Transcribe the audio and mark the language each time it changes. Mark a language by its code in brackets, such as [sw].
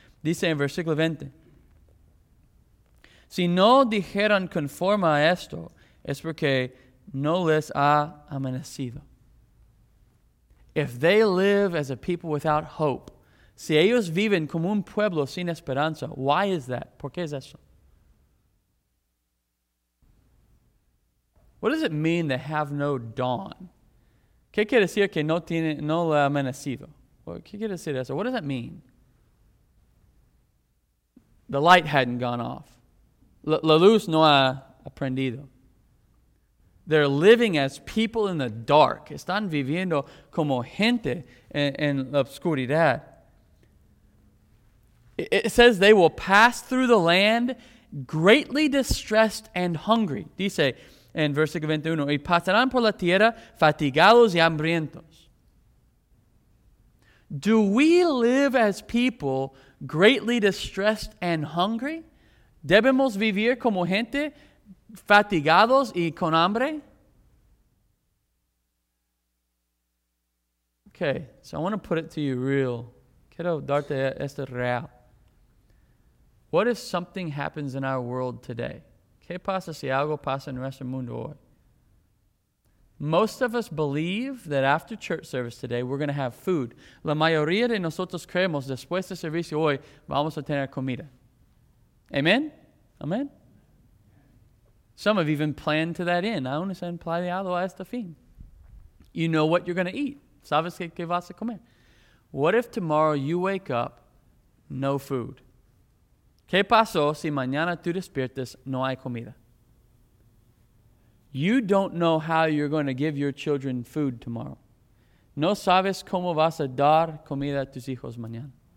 [es] Dice en versículo 20. Si no dijeran conforme a esto, es porque no les ha amanecido. [en] If they live as a people without hope, [es] si ellos viven como un pueblo sin esperanza, [en] why is that? [es] ¿Por qué es eso? [en] What does it mean they have no dawn? [es] ¿Qué quiere decir que no le ha amanecido? ¿Qué quiere decir eso? [en] What does that mean? The light hadn't gone off. [es] La luz no ha aprendido. [en] They're living as people in the dark. [es] Están viviendo como gente en la oscuridad. [en] It says they will pass through the land greatly distressed and hungry. [es] Dice en versículo 21, y pasarán por la tierra fatigados y hambrientos. [en] Do we live as people greatly distressed and hungry? [es] ¿Debemos vivir como gente fatigados y con hambre? [en] Okay, so I want to put it to you real. [es] Quiero darte esto real. [en] What if something happens in our world today? [es] ¿Qué pasa si algo pasa en nuestro mundo hoy? [en] Most of us believe that after church service today, we're going to have food. [es] La mayoría de nosotros creemos después de servicio hoy, vamos a tener comida. [en] Amen? Amen? Some have even planned to that end. [es] Aún se han planeado a este fin. [en] You know what you're going to eat. [es] ¿Sabes qué vas a comer? [en] What if tomorrow you wake up, no food? [es] ¿Qué pasó si mañana tú despiertas, no hay comida? [en] You don't know how you're going to give your children food tomorrow. [es] No sabes cómo vas a dar comida a tus hijos mañana.